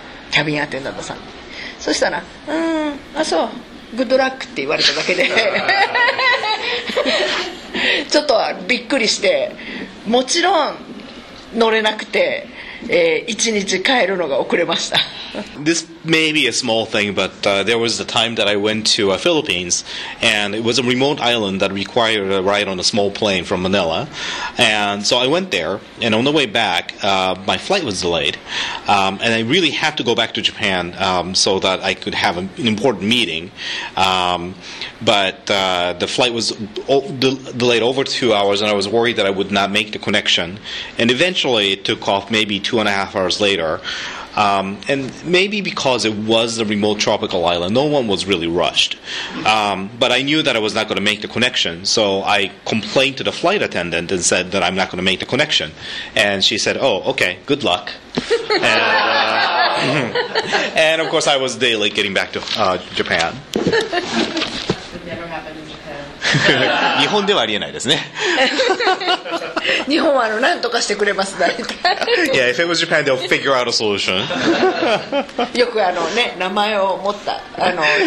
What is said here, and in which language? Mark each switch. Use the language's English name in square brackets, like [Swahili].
[Japanese] キャビンアテンダントさん。そしたら、うん、あ、そう、グッドラックって言われただけで、ちょっとびっくりして、もちろん乗れなくて、1日帰るのが遅れました。 [English] This may be a small thing, but there was a time that I went to the Philippines, and it was a remote island that required a ride on a small plane from Manila. And so I went there, and on the way back, my flight was delayed, and I really had to go back to Japan so that I could have an important meeting. But the flight was delayed over 2 hours, and I was worried that I would not make the connection. And eventually, it took off maybe 2.5 hours later. And maybe because it was a remote tropical island, no one was really rushed. But I knew that I was not going to make the connection, so I complained to the flight attendant and said that I'm not going to make the connection. And she said, oh, okay, good luck. And of course, I was day late getting back to Japan. It would never happen in Japan. [Japanese] 日本ではありえないですね。日本はなんとかしてくれます、大体。 [English] Yeah, if it was Japan, they'll figure out a solution. [Japanese] よくあのね、名前を持った、あの、